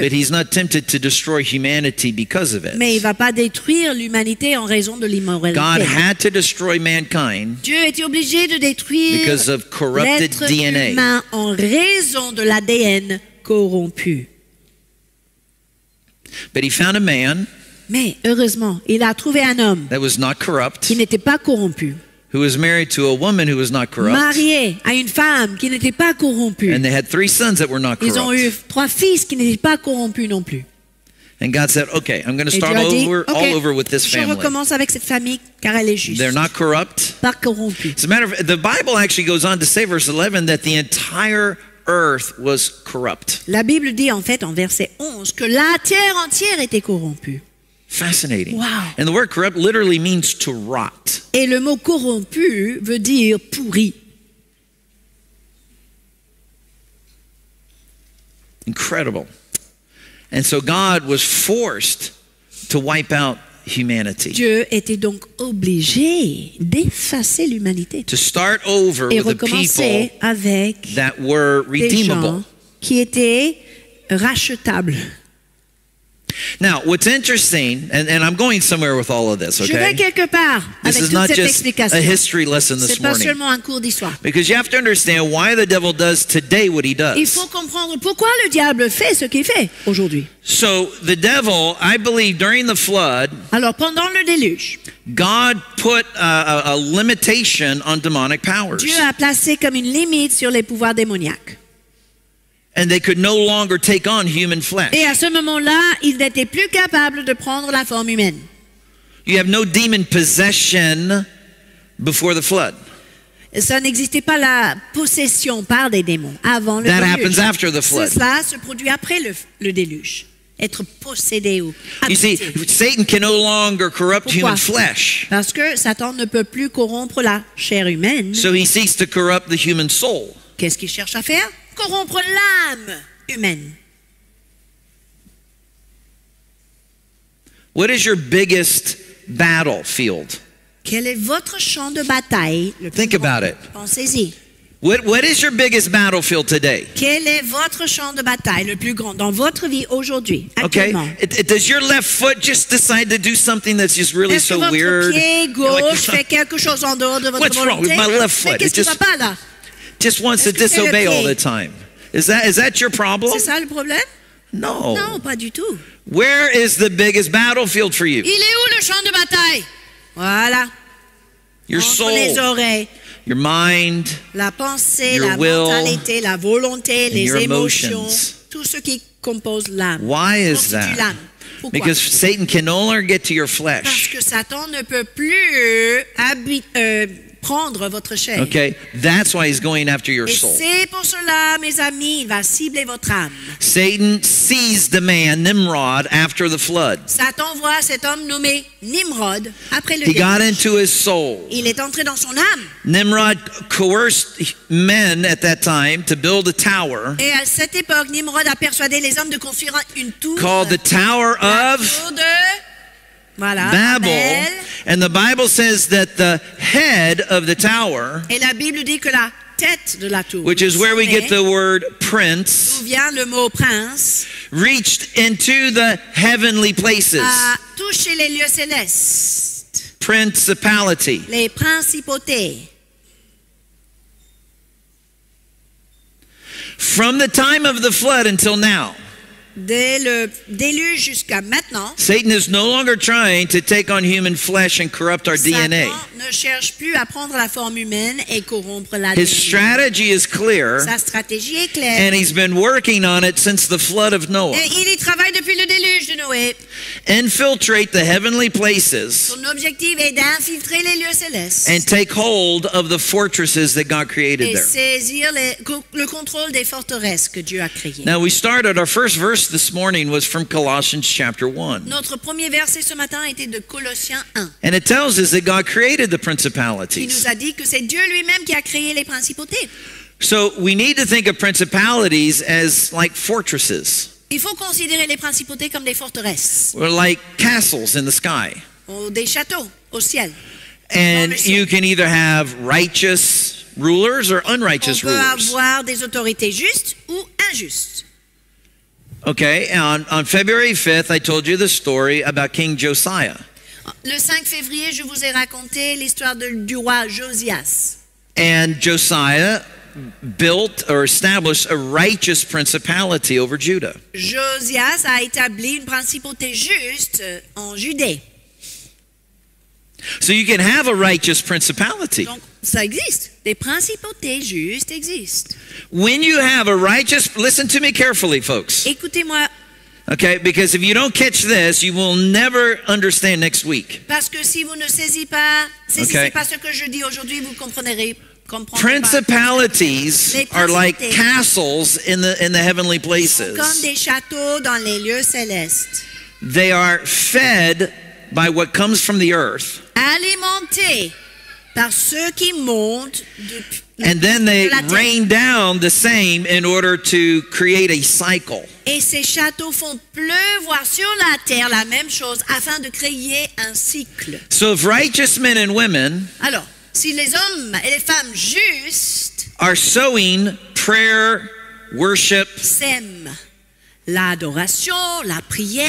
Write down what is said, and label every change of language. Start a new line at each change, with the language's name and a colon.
English: But he's not tempted to destroy humanity because of it.
French: Mais il ne va pas détruire l'humanité en raison de l'immoralité.
English: God had to destroy mankind.
French: Dieu était obligé de détruire
English: because of corrupted DNA.
French: En raison de l'ADN corrompu.
English: But he found a man
French: Mais heureusement, il a trouvé un homme
English: that was not corrupt,
French: qui n'était pas corrompu.
English: Who was married to a woman who was not corrupt.
French: Marié à une femme qui n'était pas corrompue.
English: And they had three sons that were not corrupt.
French: Ils ont eu trois fils qui n'étaient pas corrompus non plus.
English: And God said, okay, I'm going to start
French: dit,
English: over, okay, all over with this family.
French: Je recommence avec cette famille, car elle est juste.
English: They're not corrupt.
French: Pas corrompu.
English: As a matter of fact, the Bible actually goes on to say, verse 11, that the entire earth was corrupt.
French: La Bible dit en fait, en verset 11, que la terre entière était corrompue.
English: Fascinating. Wow. And the word corrupt literally means to rot.
French: Et le mot corrompu veut dire pourri.
English: Incredible. And so God was forced to wipe out humanity.
French: Dieu était donc obligé d'effacer l'humanité.
English: To start over
French: et
English: with the people
French: avec
English: that were redeemable.
French: Des gens qui étaient rachetables.
English: Now, what's interesting, and I'm going somewhere with all of this, okay?
French: Je vais quelque part avec
English: this is not just a history lesson this
French: C'est pas
English: morning.
French: Seulement un cours d'histoire.
English: Because you have to understand why the devil does today what he does.
French: Il faut comprendre pourquoi le diable fait ce qu'il fait aujourd'hui.
English: So, the devil, I believe, during the flood,
French: Alors, pendant le déluge,
English: God put a limitation on demonic powers.
French: Dieu a placé comme une limite sur les pouvoirs démoniaques.
English: And they could no longer take on human flesh.
French: Et à ce moment-là, ils n'étaient plus capables de prendre la forme humaine.
English: You have no demon possession before the flood.
French: Ça n'existait pas la possession par des démons avant le
English: That
French: déluge.
English: Happens after the flood.
French: Cela se produit après le déluge. Être possédé ou habité.
English: You see, Satan can no longer corrupt
French: Pourquoi?
English: Human flesh.
French: Parce que Satan ne peut plus corrompre la chair humaine.
English: So he seeks to corrupt the human soul.
French: Qu'est-ce qu'il cherche à faire? Corrompre l'âme humaine.
English: What is your biggest battlefield?
French: Quel est votre champ de bataille le plus
English: Think
French: grand?
English: About it.
French: Pensez-y.
English: What is your biggest battlefield today?
French: Quel est votre champ de bataille le plus grand dans votre vie aujourd'hui, actuellement?
English: Okay. Does your left foot just decide to do something that's just really so weird?
French: Est-ce que votre pied gauche fait quelque chose en dehors de votre volonté?
English: What's wrong with my left foot?
French: Mais qu'est-ce qui ne va pas là?
English: Just wants to disobey all the time. Is that your problem?
French: C'est ça le problème?
English: No.
French: Non, pas du tout.
English: Where is the biggest battlefield for you?
French: Il est où le champ de bataille? Voilà.
English: Your soul.
French: Entre les oreilles.
English: Your mind,
French: la pensée, la mentalité, la volonté, les émotions, tout ce qui compose l'âme.
English: Why is that? Because Satan can only get to your flesh.
French: Parce que Satan ne peut plus prendre votre chair.
English: Okay, that's why he's going after your soul.
French: Et c'est pour cela, mes amis, il va cibler votre âme.
English: Satan sees the man Nimrod after the flood.
French: Satan voit cet homme nommé Nimrod après le déluge.
English: He got into his soul.
French: Il est entré dans son âme.
English: Nimrod coerced men at that time to build a tower.
French: Et à cette époque, Nimrod a persuadé les hommes de construire une tour.
English: Called the Tower of
French: voilà,
English: Babel. And the Bible says that the head of the tower,
French: et la Bible dit que la tête de la tour,
English: which is where we get the word prince,
French: d'où vient le mot prince,
English: reached into the heavenly places.
French: A touché les lieux célestes.
English: Principality.
French: Les principautés.
English: From the time of the flood until now.
French: Dès le déluge jusqu'à maintenant,
English: Satan is no longer trying to take on human flesh and corrupt our
French: Satan
English: DNA.
French: Ne cherche plus à prendre la forme humaine et corrompre l'ADN.
English: His strategy is clear.
French: Sa stratégie est claire.
English: And he's been working on it since the flood of Noah.
French: Et il y travaille depuis le déluge de Noé.
English: Infiltrate the heavenly places.
French: Son objectif est d'infiltrer les lieux célestes.
English: And take hold of the fortresses that God created there.
French: Et saisir le contrôle des forteresses que Dieu a créées.
English: Now we started our first verse this morning was from Colossians chapter 1.
French: Notre premier verset ce matin était de Colossiens 1.
English: And it tells us that God created the principalities.
French: Il nous a dit que c'est Dieu lui-même qui a créé les principautés.
English: So we need to think of principalities as like fortresses.
French: Il faut considérer les principautés comme des forteresses.
English: Or like castles in the sky.
French: Ou des châteaux au ciel.
English: And you can either have righteous rulers or unrighteous rulers.
French: On peut avoir des autorités justes ou injustes.
English: Okay, on February 5th, I told you the story about King Josiah.
French: Le 5 février, je vous ai raconté l'histoire du roi Josias.
English: And Josiah built or established a righteous principality over Judah.
French: Josias a établi une principauté juste en Judée.
English: So you can have a righteous principality.
French: Donc, ça existe. Des principautés justes existent.
English: When you have a righteous, listen to me carefully, folks.
French: Écoutez-moi.
English: Okay, because if you don't catch this, you will never understand next week.
French: Parce que si vous ne saisissez pas ce que je dis aujourd'hui, vous comprendrez.
English: Principalities are like castles in the heavenly places.
French: Comme des châteaux dans les lieux célestes.
English: They are fed by what comes from the earth.
French: Alimenté par ceux qui montent de la terre.
English: And then they rain down the same in order to create a cycle.
French: Et ces châteaux font pleuvoir sur la terre la même chose afin de créer un cycle.
English: So if righteous men and women,
French: alors, si les hommes et les femmes justes
English: are sowing prayer, worship,
French: sème l'adoration, la prière,